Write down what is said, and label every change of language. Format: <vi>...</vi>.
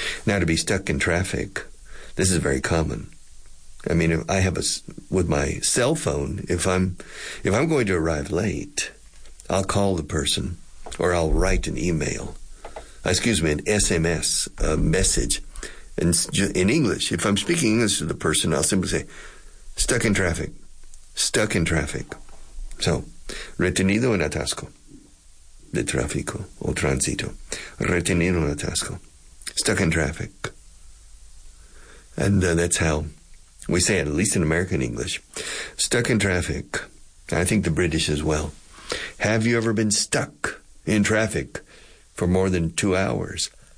<en>Now, to be stuck in traffic, this is very common. I mean, if I have with my cell phone, if I'm going to arrive late, I'll call the person or I'll write an email. Excuse me, an SMS, a message. And in English, if I'm speaking English to the person, I'll simply say, stuck in traffic, stuck in traffic.</en> <es>So, retenido en atasco de tráfico o tránsito. Retenido en atasco,</es> <en>stuck in traffic. And that's how we say it, at least in American English. Stuck in traffic. I think the British as well. Have you ever been stuck in traffic for more than 2 hours?</en>